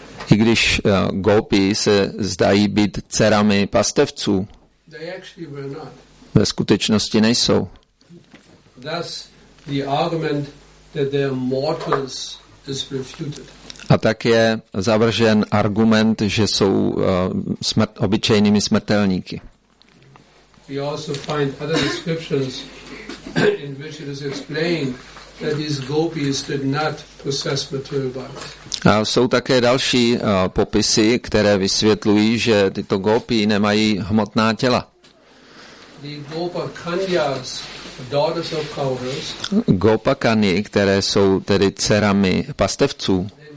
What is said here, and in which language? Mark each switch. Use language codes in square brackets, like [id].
[cs] I když gopi se zdají být dcerami pastevců, [en] They actually were not. [cs] Ve skutečnosti nejsou. [en] Thus, the argument that they are mortals is refuted. [cs] A tak je zavržen argument, že jsou obyčejnými smrtelníky. [en] We also find other descriptions in which it is explained that these gopis did not possess material bodies. [cs] A jsou také další popisy, které vysvětlují, že tyto gopi nemají hmotná těla. [en] The Gopa Kanyas, daughters of cowherds. [cs] Gopa Kany, které jsou tedy dcerami pastevců.